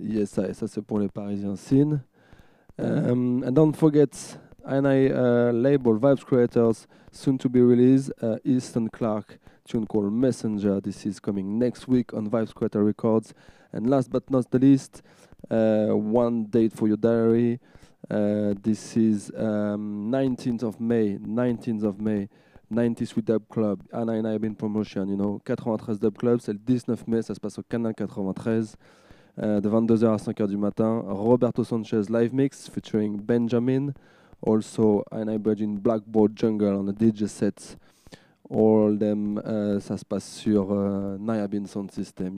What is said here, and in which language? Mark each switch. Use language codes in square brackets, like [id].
[en] Yes, I, [fr] ça c'est pour les Parisiens scene. [en] And don't forget, I and I label Vibes Creators, soon to be released, Easton Clark. Tune called Messenger. This is coming next week on Vibes Creator Records. And last but not the least, one date for your diary. This is 19th of May, 19th of May, 93 Dub Club. Anna and I have been promotion, you know, 93 Dub Club. [fr] C'est le 19 mai, ça se passe au Canal 93, de 22h à 5h du matin. [en] Roberto Sanchez live mix featuring Benjamin. Also, Anna Bridge in Blackboard Jungle on the DJ set. All them, [fr] ça se passe sur Nayabin Sound System.